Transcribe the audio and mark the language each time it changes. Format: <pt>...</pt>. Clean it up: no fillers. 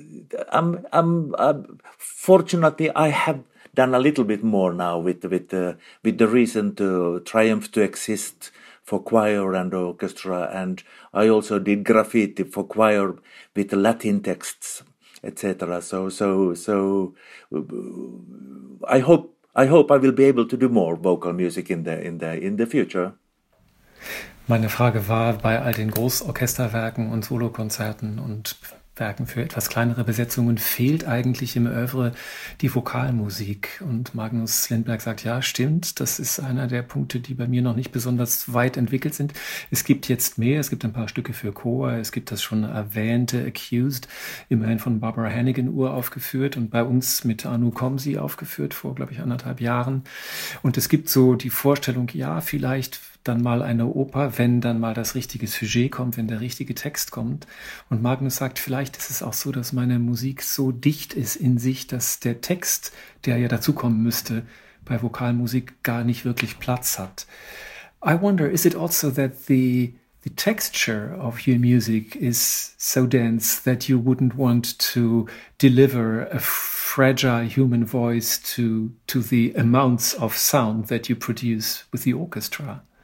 <en>But I'm fortunately I have done a little bit more now with the recent Triumph to Exist for choir and orchestra, and I also did Graffiti for choir with Latin texts, etc. So I hope I will be able to do more vocal music in the future.</en> <de>Meine Frage war bei all den Großorchesterwerken und Solokonzerten und Werken für etwas kleinere Besetzungen fehlt eigentlich im Oeuvre die Vokalmusik. Und Magnus Lindberg sagt, ja, stimmt, das ist einer der Punkte, die bei mir noch nicht besonders weit entwickelt sind. Es gibt jetzt mehr, es gibt ein paar Stücke für Chor, es gibt das schon erwähnte Accused, immerhin von Barbara Hannigan uraufgeführt und bei uns mit Anu Komsi aufgeführt vor, glaube ich, anderthalb Jahren. Und es gibt so die Vorstellung, ja, vielleicht dann mal eine Oper, wenn dann mal das richtige Sujet kommt, wenn der richtige Text kommt. Und Magnus sagt, vielleicht ist es auch so, dass meine Musik so dicht ist in sich, dass der Text, der ja dazukommen müsste, bei Vokalmusik gar nicht wirklich Platz hat.</de> <en>I wonder, is it also that the texture of your music is so dense that you wouldn't want to deliver a fragile human voice to the amounts of sound that you produce with the orchestra?</en>